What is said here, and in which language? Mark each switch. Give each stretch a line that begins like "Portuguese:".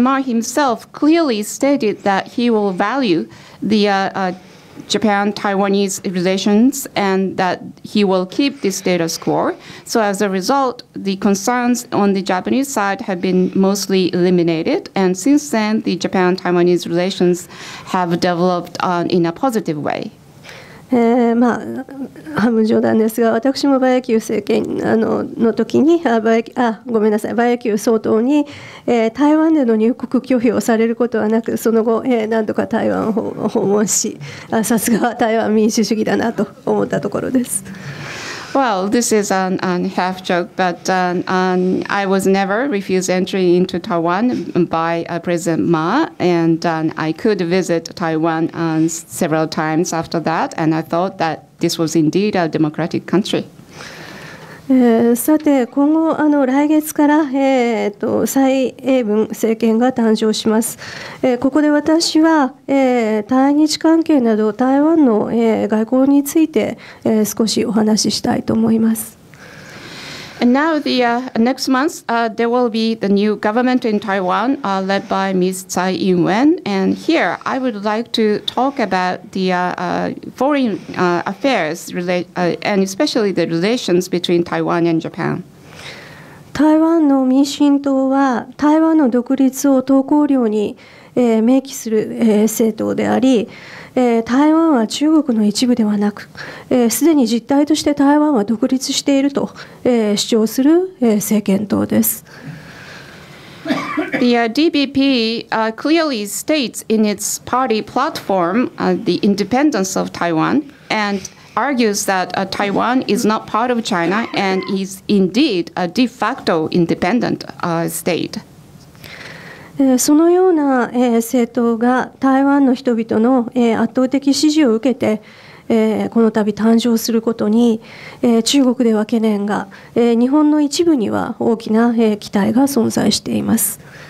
English: Ma himself clearly stated that he will value the Japan-Taiwanese relations and that he will keep the status quo. So as a result, the concerns on the Japanese side have been mostly eliminated. And since then, the Japan-Taiwanese relations have developed in a positive way.
Japanese: まあ、半分冗談ですが、私も馬英九政権 の時に、ごめんなさい、馬英九総統に、台湾での入国拒否をされることはなく、その後、何度か台湾を訪問し、さすがは台湾民主主義だなと思ったところです。
English: Well, this is an half joke, but I was never refused entry into Taiwan by President Ma, and I could visit Taiwan several times after that, and I thought that this was indeed a democratic country.
Japanese: さて、今後来月から蔡英文政権が誕生します。ここで私は対日関係など台湾の外交について少しお話ししたいと思います。
English: And now the next month there will be the new government in Taiwan led by Ms. Tsai Ing-wen. And here I would like to talk about the foreign affairs and especially the relations between Taiwan and Japan.
Japanese: 台湾の民進党は台湾の独立を党綱領に明記する政党であり、台湾は中国の一部ではなく、すでに実態として台湾は独立していると主張する政権党です。
English: The DPP clearly states in its party platform the independence of Taiwan and argues that Taiwan is not part of China and is indeed a de facto independent state.
Japanese: そのような政党が台湾の人々の圧倒的支持を受けてこの度誕生することに中国では懸念が日本の一部には大きな期待が存在しています。